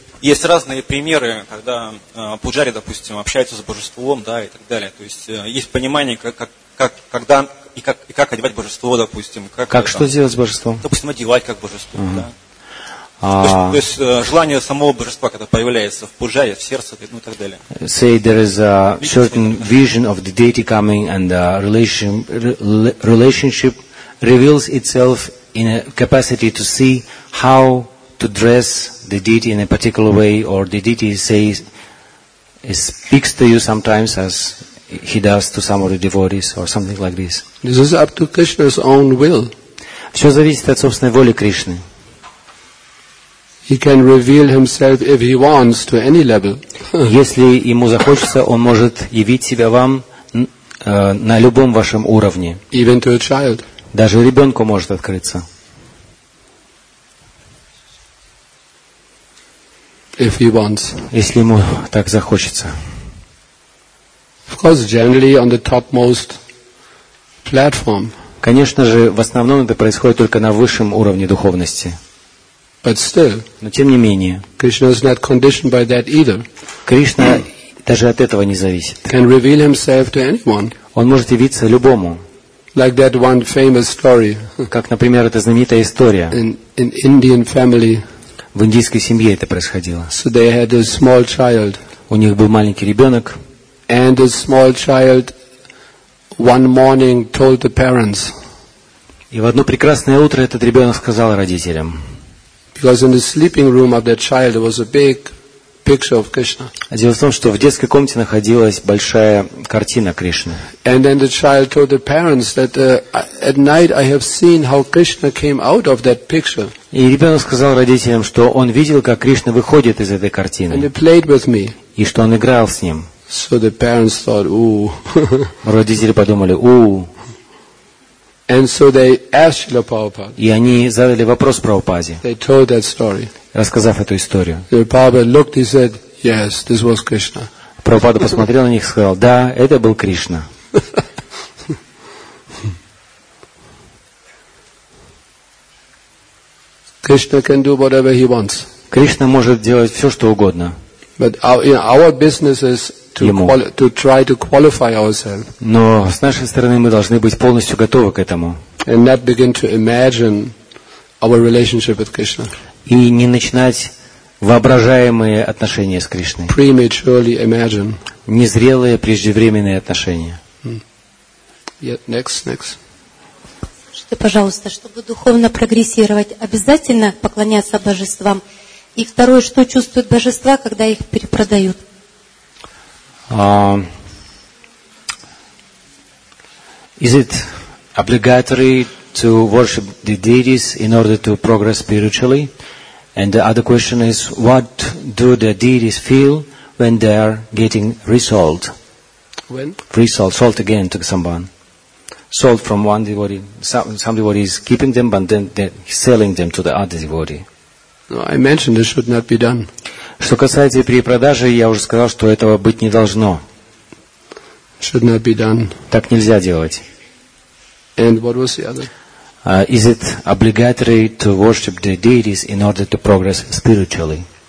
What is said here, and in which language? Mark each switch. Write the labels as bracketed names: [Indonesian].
[Russian] Есть разные примеры, когда пуджари, допустим, общаются с божеством, да, и так далее. То есть есть понимание, как одевать божество, допустим. Как что сделать с божеством? Допустим, одевать как божество, uh-huh. Да. То есть желание самого божества, когда появляется в пуджаре, в сердце, ну и так далее. [English] Say there is a certain vision of the deity coming and the relationship reveals itself in a capacity to see how to dress the deity in a particular way, or the deity speaks to you sometimes as he does to some of the devotees or something like this. This is up to Krishna's own will. [Russian] Все зависит от собственной воли Кришны. [English] He can reveal himself if he wants to any level. [Russian] Если ему захочется, он может явить себя вам на любом вашем уровне. [English] Even to a child. [Russian] Даже ребенку может открыться. [English] If he wants. [Russian] Если ему так захочется. [English] Of course, generally on the topmost platform. [Russian] Конечно же, в основном это происходит только на высшем уровне духовности. [English] But still, [Russian] но тем не менее, [English] Krishna is not conditioned by that either. [Russian] Кришна даже от этого не зависит. [English] Can reveal himself to anyone. [Russian] Он может явиться любому. [English] Like that one famous story. [Russian] Как, например, эта знаменитая история. [English] In Indian family. [Russian] В индийской семье это происходило. [English] So they had a small child. [Russian] У них был маленький ребенок. [English] And a small child one morning told the parents. [Russian] И в одно прекрасное утро этот ребенок сказал родителям. [English] Because in the sleeping room of that child there was a big picture of Krishna. [Russian] Дело в том, что в детской комнате находилась большая картина Кришны. [English] And then the child told the parents that at night I have seen how Krishna came out of that picture. [Russian] И ребенок сказал родителям, что он видел, как Кришна выходит из этой картины. [English] And he played with me. [Russian] И что он играл с ним. [English] So the parents thought, ooh. [Russian] Родители подумали, ooh. [English] And so they asked Srila Prabhupada. [Russian] И они задали вопрос Прабхупаде. [English] They told that story. [Russian] Рассказав эту историю. [English] The Prabhupada looked, he said, yes, this was Krishna. [Russian] Прабхупада посмотрел на них и сказал, да, это был Кришна. [English] Krishna can do whatever he wants. [Russian] Кришна может делать все, что угодно. [English] But our business is to try to qualify ourselves. [Russian] Но с нашей стороны мы должны быть полностью готовы к этому. [English] And not begin to imagine our relationship with Krishna. [Russian] И не начинать воображаемые отношения с Кришной. [English] Prematurely imagine. [Russian] Незрелые преждевременные отношения. [English] Next. [Russian] Что, пожалуйста, чтобы духовно прогрессировать, обязательно поклоняться божествам? И второе, что чувствуют божества, когда их перепродают? [English] Is it obligatory to worship the deities in order to progress spiritually? And the other question is, what do the deities feel when they are getting resold? When? Resold, sold again to someone. Sold from one devotee. Some devotee is keeping them, but then they're selling them to the other devotee. No, I mentioned this should not be done. [Russian] Что касается перепродажи, я уже сказал, что этого быть не должно. [English] Should not be done. [Russian] Так нельзя делать. [English] And what was the other? Is it obligatory to worship the deities in order to progress spiritually?